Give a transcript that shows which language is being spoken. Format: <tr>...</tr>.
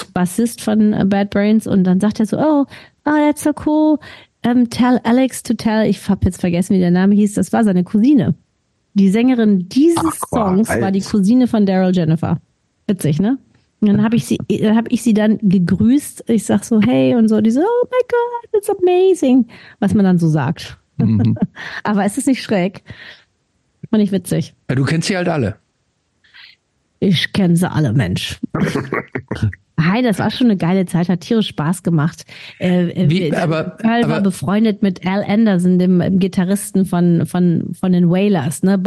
<de>Der Bassist von Bad Brains. Und dann sagt er so,</de> <en>oh that's so cool. Tell Alex to tell,</en> <de>ich habe jetzt vergessen, wie der Name hieß, das war seine Cousine. Die Sängerin dieses Songs war die Cousine von Daryl Jennifer. Witzig, ne? Und dann habe ich sie dann gegrüßt. Ich sag so, hey, und so. Die so,</de> <en>oh my God, it's amazing.</en> <de>Was man dann so sagt. Mhm. Aber es ist nicht schräg. Fand ich witzig. Ja, du kennst sie halt alle. Ich kenne sie alle, Mensch. Hi, das war schon eine geile Zeit, hat tierisch Spaß gemacht. Karl war befreundet mit Al Anderson, dem Gitarristen von den Wailers, ne?</de>